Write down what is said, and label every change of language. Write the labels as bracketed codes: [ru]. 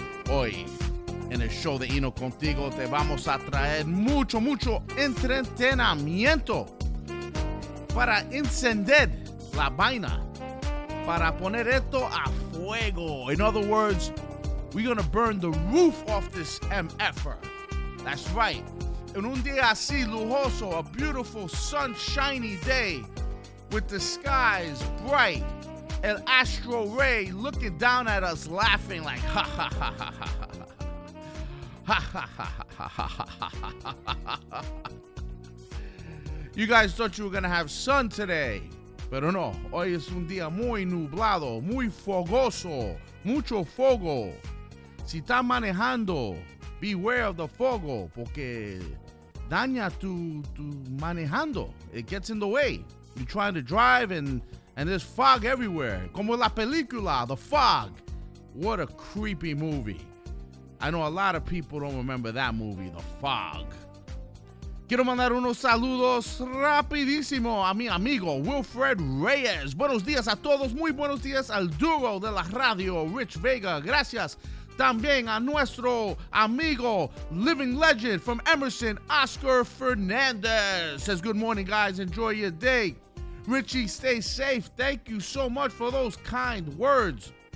[es] Hoy, en el show de Hino Contigo, te vamos a traer mucho, mucho entretenimiento para encender la vaina, para poner esto a fuego. [en] In other words, we're going to burn the roof off this MF-er. That's right. [es] En un día así lujoso, [en] a beautiful, sunshiny day, with the skies bright, El Astro Ray looking down at us laughing like, ha, ha, ha, ha, ha, ha, ha, ha. You guys thought you were going to have sun today, [es] pero no. Hoy es un día muy nublado, muy fogoso, mucho fuego. Si está manejando, [en] beware of the [es] fuego, porque daña tu manejando. [en] It gets in the way. You're trying to drive and there's fog everywhere. [es] Como la película, [en] The Fog. What a creepy movie. I know a lot of people don't remember that movie, The Fog. [es] Quiero mandar unos saludos rapidísimo a mi amigo Wilfred Reyes. Buenos días a todos. Muy buenos días al duro de la radio, Rich Vega. Gracias también a nuestro amigo, [en] living legend from Emerson, [es] Oscar Fernandez. [en] Says, good morning, guys. Enjoy your day. Richie, stay safe. Thank you so much for those kind words.